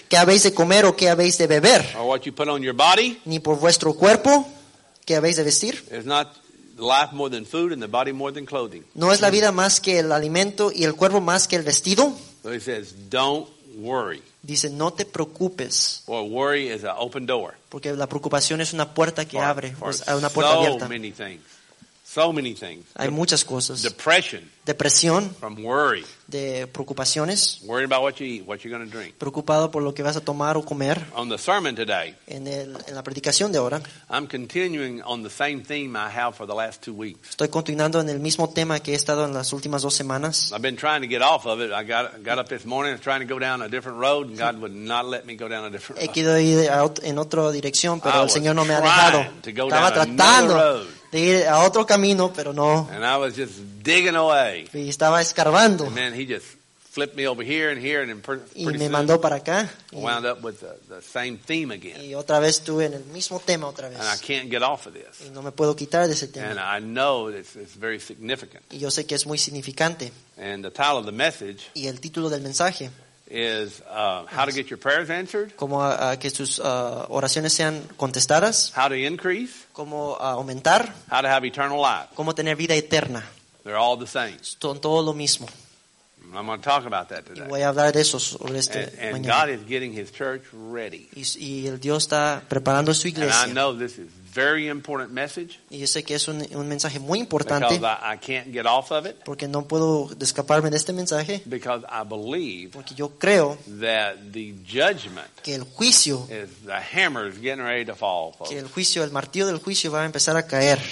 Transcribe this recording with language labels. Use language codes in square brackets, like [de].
[es] ¿Qué habéis de comer o qué habéis de beber? [en] Or what you put on your body. [es] Ni por vuestro cuerpo, ¿qué habéis de vestir? [en] It's not life more than food and the body more than clothing. [es] ¿No es la vida más que el alimento y el cuerpo más que el vestido? [en] So he says, don't worry. [es] Dice, no te preocupes. [en] Or worry is an open door. [es] Porque la preocupación es una puerta que abre, es una puerta abierta. [en] Many things. So many things. [es] Hay muchas cosas. [en] Depression. [es] Depresión. [en] From worry. [es] De preocupaciones. [en] Worrying about what you eat, what you're going to drink. [es] Preocupado por lo que vas a tomar o comer. [en] On the sermon today. [es] En la predicación de ahora. [en] I'm continuing on the same theme I have for the last 2 weeks. [es] Estoy continuando en el mismo tema que he estado en las últimas dos semanas. [en] I've been trying to get off of it. I got up this morning and trying to go down a different road, and God would not let me go down a different road. [es] He querido ir en otra dirección, pero el Señor no me ha dejado. [en] To go down another road. [es] De ir a otro camino, pero no. [en] And I was just digging away. [es] Y estaba escarbando. [en] And man, he just flipped me over here and here and pretty [es] y me mandó para acá. [en] Wound up with the same theme again. [es] Y otra vez estuve en el mismo tema otra vez. [en] And I can't get off of this. [es] Y no me puedo quitar de ese tema. [en] And I know it's very significant. [es] Y yo sé que es muy significante. [en] And the title of the message. [es] Y el título del mensaje. [en] Is how to get your prayers answered. [es] Cómo que sus oraciones sean contestadas. [en] How to increase. [es] Cómo aumentar. [en] How to have eternal life. [es] Cómo tener vida eterna. [en] They're all the same. [es] Son todo lo mismo. [en] I'm going to talk about that today. [es] Y voy a hablar de eso sobre este [en] and [es] mañana. [en] God is getting His church ready. [es] Y el Dios está preparando su iglesia. [en] And I know this is very important message. [es] Y yo sé que es un mensaje muy importante. [en] Because I can't get off of it. [es] Porque no puedo escaparme de este mensaje. [en] Because I believe. [es] Porque yo creo. [en] That the judgment. [es] Que el juicio. [en] Is the hammer is getting ready to fall, folks. [es] Que el juicio, el martillo del juicio va a empezar a caer.